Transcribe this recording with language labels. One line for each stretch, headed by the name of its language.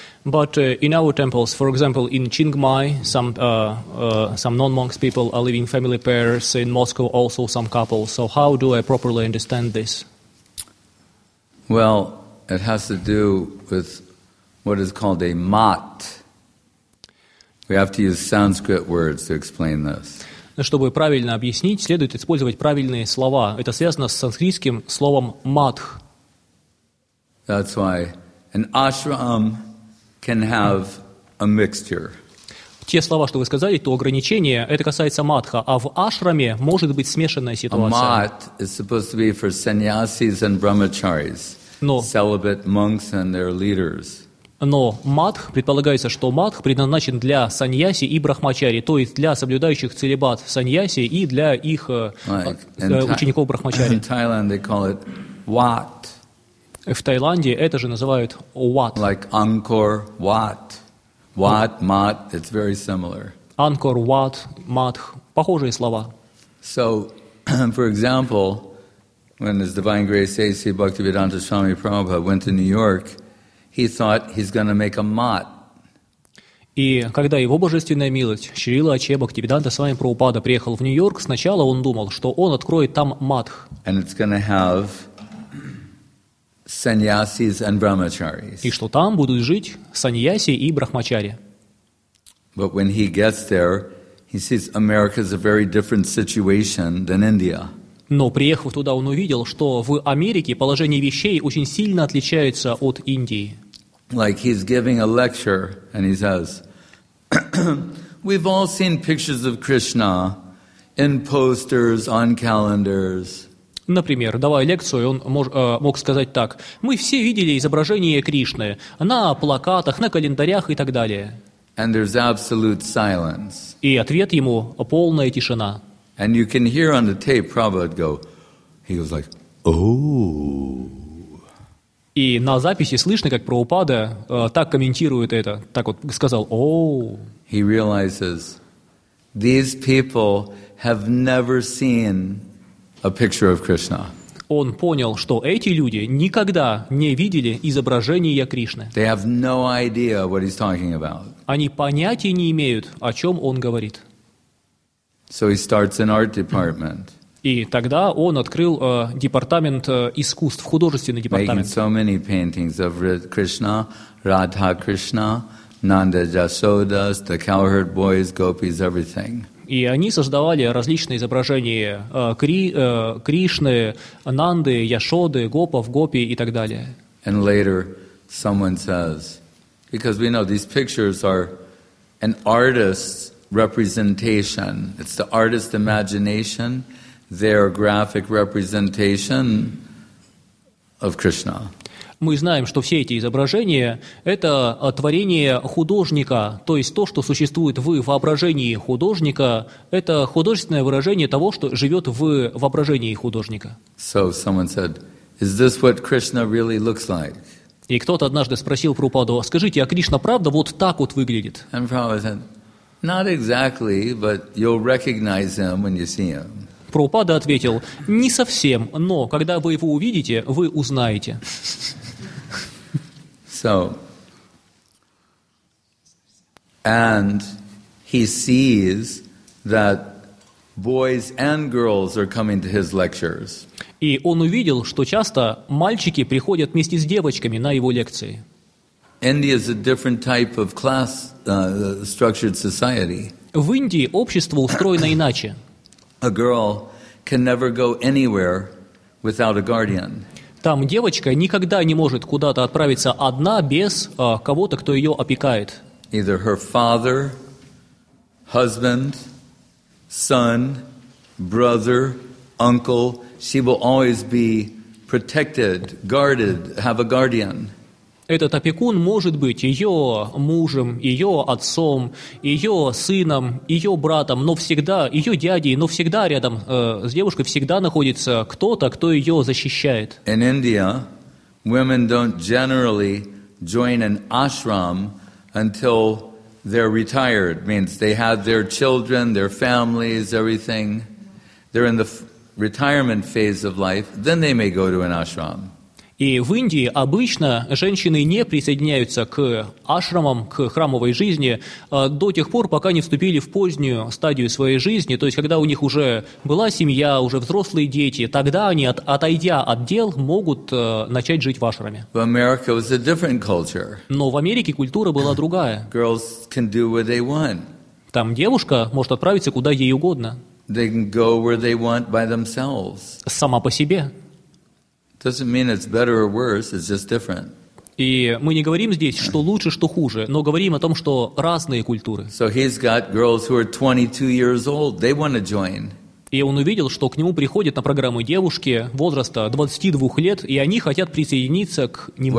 English: But in our temples, for example, in Chiang Mai, some non-monks people are living family pairs. In Moscow, also some couples. So how do I properly understand this? Well, it has to do with what is called a mat. We have to use Sanskrit words to explain this.
Russian: Чтобы правильно объяснить, следует использовать правильные слова. Это связано с санскритским словом матх.
English: That's why an ashram can have a mixture.
Russian: Те слова, что вы сказали, то ограничение, это касается матха, а в ашраме может быть смешанная ситуация.
English: A mat is supposed to be for sannyasis and brahmacharis, celibate monks and their leaders.
Russian: Но матх, предполагается, что матх предназначен для саньяси и брахмачари, то есть для соблюдающих целибат саньяси и для их учеников брахмачари.
English: In Thailand they call it wat.
Russian: В Таиланде это же называют Wat.
English: Like Angkor Wat. Wat, Mat, it's very similar.
Russian: Angkor Wat, Mat, похожие слова.
English: So, for example, when His Divine Grace A.C. Bhaktivedanta Swami Prabhupada went to New York, he thought he's going to make a Mat.
Russian: И когда его божественная милость Шрила Ачья Бхактивиданта Свами Прабхупада приехал в Нью-Йорк, сначала он думал, что он откроет там матх.
English: And it's going to have sannyasis and brahmacharis.
Russian: И что там будут жить саньяси и брахмачари.
English: But when he gets there, he sees America is a very different situation than India.
Russian: Но приехав туда, он увидел, что в Америке положение вещей очень сильно отличается от Индии.
English: Like he's giving a lecture and he says, "We've all seen pictures of Krishna in posters, on calendars."
Russian: Например, давая лекцию, он мог сказать так: мы все видели изображение Кришны на плакатах, на календарях и так далее.
English: And there's absolute silence.
Russian: И ответ ему – полная тишина.
English: And you can hear on the tape Prabhupada go, he goes like, oh.
Russian: И на записи слышно, как Прабхупада так комментирует это, так вот сказал, oh.
English: He realizes, these people have never seen a picture of Krishna.
Russian: Он понял, что эти люди никогда не видели изображения Кришны.
English: They have no idea what he's talking about.
Russian: Они понятия не имеют, о чем он говорит.
English: So he starts an art department.
Russian: И тогда он открыл департамент искусств, художественный департамент.
English: Making so many paintings of Krishna, Radha Krishna, Nanda Jasodas, the cowherd boys, gopis, everything.
Russian: И они создавали различные изображения Кришны, Нанды, Яшоды, Гопов, Гопи и так далее.
English: And later someone says, because we know these pictures are an artist's representation. It's the artist's imagination, their graphic representation of Krishna.
Russian: Мы знаем, что все эти изображения – это творение художника, то есть то, что существует в воображении художника, это художественное выражение того, что живет в воображении художника.
English: So someone said, "Is this what Krishna really looks like?"
Russian: И кто-то однажды спросил Прабхупаду: «Скажите, а Кришна правда вот так вот выглядит?» Прабхупада ответил: «Не совсем, но когда вы его увидите, вы узнаете».
English: So, and he sees that boys and girls are coming to his lectures.
Russian: И он увидел, что часто мальчики приходят вместе с девочками на его лекции.
English: India is a different type of class structured society.
Russian: В Индии общество устроено иначе.
English: A girl can never go anywhere without a guardian.
Russian: Там девочка никогда не может куда-то отправиться одна без кого-то, кто ее опекает.
English: Either her father, husband, son, brother, uncle, she will always be protected, guarded, have a guardian.
Russian: Этот опекун может быть ее мужем, ее отцом, ее сыном, ее братом, но всегда, ее дядей, но всегда рядом с девушкой всегда находится кто-то, кто ее защищает.
English: In India, women don't generally join an ashram until they're retired. Means they have their children, their families, everything. They're in the retirement phase of life. Then they may go to an ashram.
Russian: И в Индии обычно женщины не присоединяются к ашрамам, к храмовой жизни, до тех пор, пока не вступили в позднюю стадию своей жизни, то есть когда у них уже была семья, уже взрослые дети, тогда они, отойдя от дел, могут начать жить в ашраме.
English: But America was a different culture.
Russian: Но в Америке культура была другая.
English: Girls can do what they want.
Russian: Там девушка может отправиться куда ей угодно.
English: They can go where they want by themselves.
Russian: Сама по себе.
English: Doesn't mean it's better or worse, it's just different.
Russian: И мы не говорим здесь, что лучше, что хуже, но говорим о том, что разные культуры.
English: So he's got girls who are 22 years old, they want to join.
Russian: И он увидел, что к нему приходят на программу девушки возраста 22 лет, и они хотят присоединиться к нему.